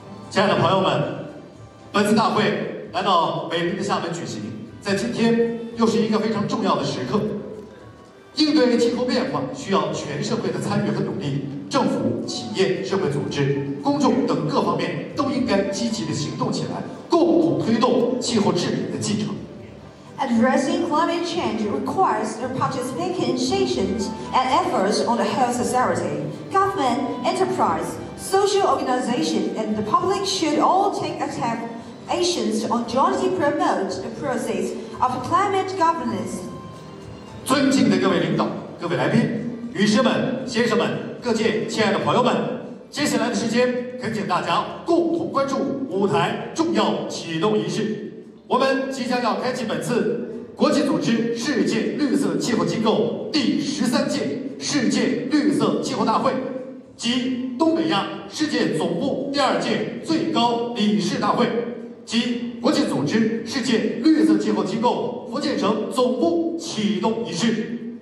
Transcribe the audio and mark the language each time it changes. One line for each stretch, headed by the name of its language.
Chinese: 亲爱的朋友们，本次大会来到美丽的厦门举行，在今天又是一个非常重要的时刻。应对气候变化需要全社会的参与和努力，政府、企业、社会组织、公众等各方面都应该积极的行动起来，共同推动气候治理的进程。
English: Addressing climate change requires the participation and efforts on the whole society. Government, enterprise, social organization, and the public should all take actions on jointly promote the process of climate governance.
Chinese: 尊敬的各位领导、各位来宾、女士们、先生们、各界亲爱的朋友们，接下来的时间，恳请大家共同关注舞台重要启动仪式。我们即将要开启本次国际组织世界绿色气候机构第13届世界绿色气候大会及东北亚世界总部2届最高理事大会及国际组织世界绿色气候机构福建省总部启动仪式。